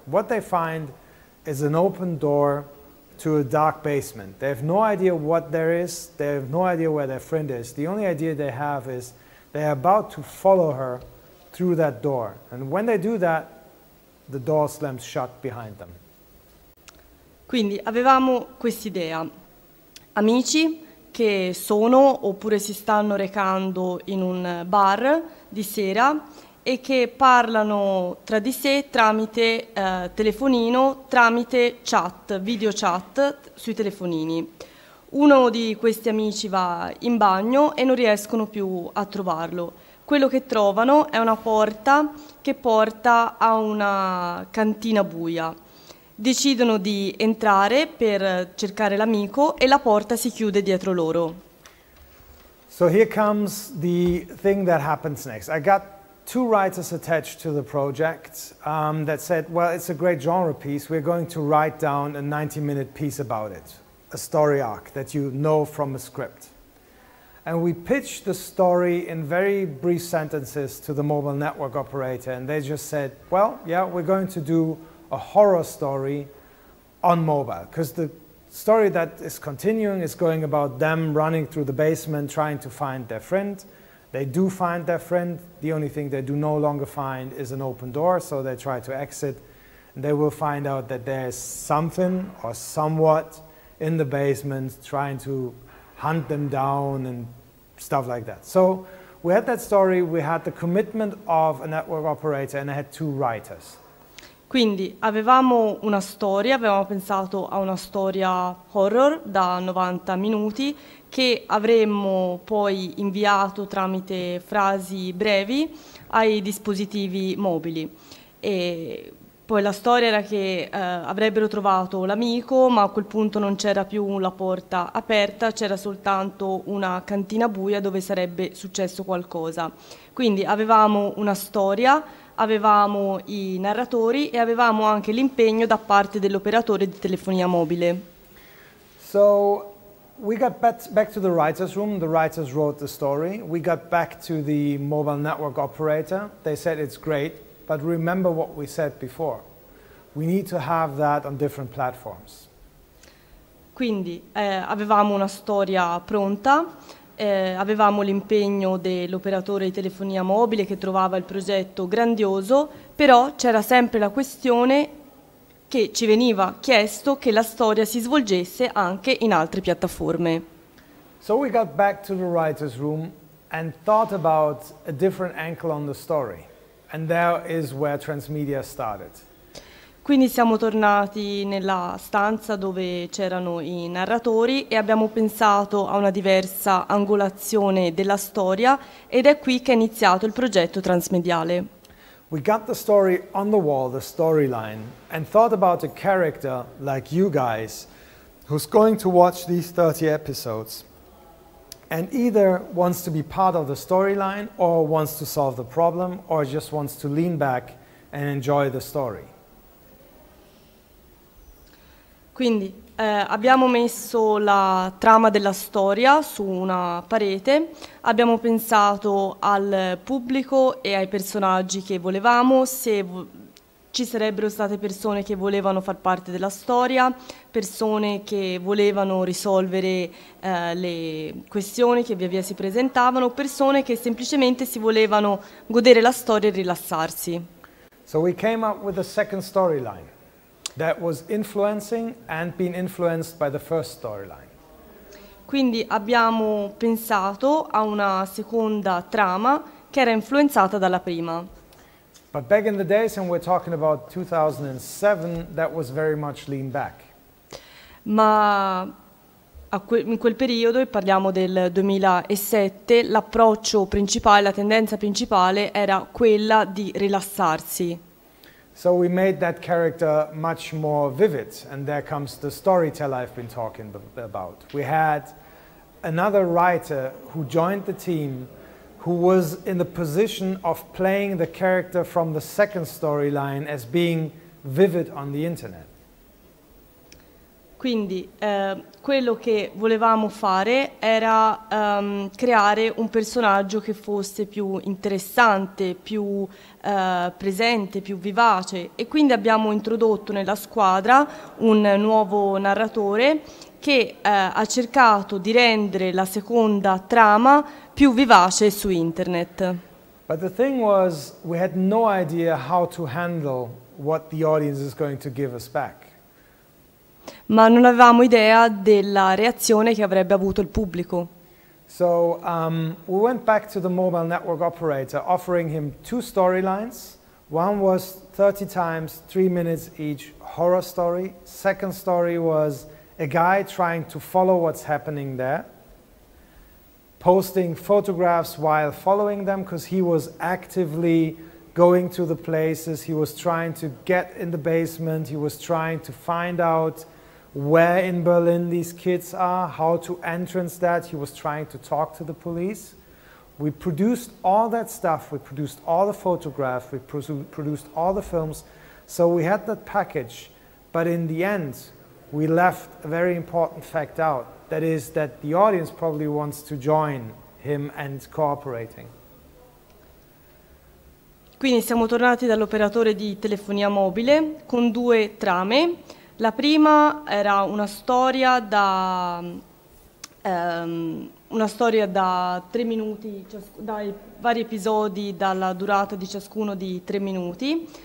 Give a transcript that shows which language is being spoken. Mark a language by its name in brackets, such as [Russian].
[English] What they find is an open door to a dark basement. They have no idea what there is, they have no idea where their friend is. The only idea they have is they are about to follow her through that door. And when they do that, the door slams shut behind them. [Italian] Quindi avevamo quest'idea. Amici che sono oppure si stanno recando in un bar di sera e che parlano tra di sé tramite telefonino, tramite chat, video chat sui telefonini. Uno di questi amici va in bagno e non riescono più a trovarlo. Quello che trovano è una porta che porta a una cantina buia. Decidono di entrare per cercare l'amico e la porta si chiude dietro loro. [English] So here comes the thing that happens next. I got two writers attached to the project that said, well, it's a great genre piece. We're going to write down a 90-minute piece about it, a story arc that you know from a script. And we pitched the story in very brief sentences to the mobile network operator, and they just said, well, yeah, we're going to do a horror story on mobile, because the story that is continuing is going about them running through the basement trying to find their friend. They do find their friend. The only thing they do no longer find is an open door, so they try to exit. And they will find out that there's something or somewhat in the basement trying to hunt them down and stuff like that. So we had that story, we had the commitment of a network operator, and I had two writers. [Italian] Quindi avevamo una storia, avevamo pensato a una storia horror da 90 minuti che avremmo poi inviato tramite frasi brevi ai dispositivi mobili. E poi la storia era che avrebbero trovato l'amico, ma a quel punto non c'era più la porta aperta, c'era soltanto una cantina buia dove sarebbe successo qualcosa. Quindi avevamo una storia, avevamo i narratori e avevamo anche l'impegno da parte dell'operatore di telefonia mobile. [English] So we got back to the writers' room, the writers wrote the story. We got back to the mobile network operator. They said it's great, but remember what we said before. We need to have that on different platforms. [Italian] Quindi avevamo una storia pronta. Avevamo l'impegno dell'operatore di telefonia mobile che trovava il progetto grandioso, però c'era sempre la questione che ci veniva chiesto che la storia si svolgesse anche in altre piattaforme. [English] So we got back to the writer's room and thought about a different angle on the story, and there is where Transmedia started. [Italian] Quindi siamo tornati nella stanza dove c'erano i narratori e abbiamo pensato a una diversa angolazione della storia ed è qui che è iniziato il progetto transmediale. [English] We got the story on the wall, the storyline, and thought about a character like you guys who's going to watch these 30 episodes and either wants to be part of the storyline or wants to solve the problem or just wants to lean back and enjoy the story. [Italian] Quindi abbiamo messo la trama della storia su una parete, abbiamo pensato al pubblico e ai personaggi che volevamo, se ci sarebbero state persone che volevano far parte della storia, persone che volevano risolvere le questioni che via via si presentavano, persone che semplicemente si volevano godere la storia e rilassarsi. [English] So we came up with a second storyline that was influencing and being influenced by the first storyline. [Italian] Quindi abbiamo pensato a una seconda trama che era influenzata dalla prima. [English] But back in the days, and we're talking about 2007, that was very much lean back. [Italian] Ma in quel periodo, e parliamo del 2007, l'approccio principale, la tendenza principale era quella di rilassarsi. [English] So we made that character much more vivid, and there comes the storyteller I've been talking about. We had another writer who joined the team who was in the position of playing the character from the second storyline as being vivid on the internet. [Italian] Quindi quello che volevamo fare era creare un personaggio che fosse più interessante, più presente, più vivace. E quindi abbiamo introdotto nella squadra un nuovo narratore che ha cercato di rendere la seconda trama più vivace su internet. [English] But the thing was, we had no idea how to handle what the audience is going to give us back. [Italian] Ma non avevamo idea della reazione che avrebbe avuto il pubblico. [English] So we went back to the mobile network operator offering him two storylines. One was 30 times, 3 minutes each, horror story. Second story was a guy trying to follow what's happening there, posting photographs while following them because he was actively going to the places, he was trying to get in the basement, he was trying to find out where in Berlin these kids are, how to entrance that. He was trying to talk to the police. We produced all that stuff, we produced all the photographs, we produced all the films, so we had that package, but in the end, we left a very important fact out, that is that the audience probably wants to join him and cooperating. [Italian] Quindi siamo tornati dall'operatore di telefonia mobile con due trame. La prima era una storia da... una storia da tre minuti, dai vari episodi dalla durata di ciascuno di tre minuti.